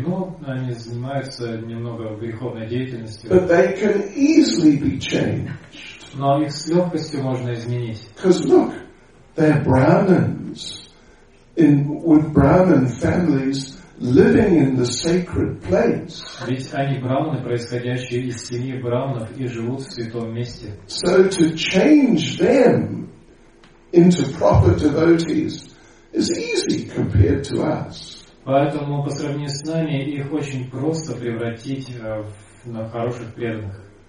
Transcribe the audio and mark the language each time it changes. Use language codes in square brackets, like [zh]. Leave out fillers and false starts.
[ru] ну, они занимаются немного греховной деятельностью. [en] But they can easily be changed. [ru] Но их с легкостью можно изменить. [en] Because look, they're brahmins in, with brahmin families. Living in the sacred place. [ru] Ведь они брахманы, происходящие из семьи брахманов, и живут в святом месте. [en] So to change them into proper devotees is easy compared to us. [ru] Поэтому по сравнению с нами их очень просто превратить на хороших преданных.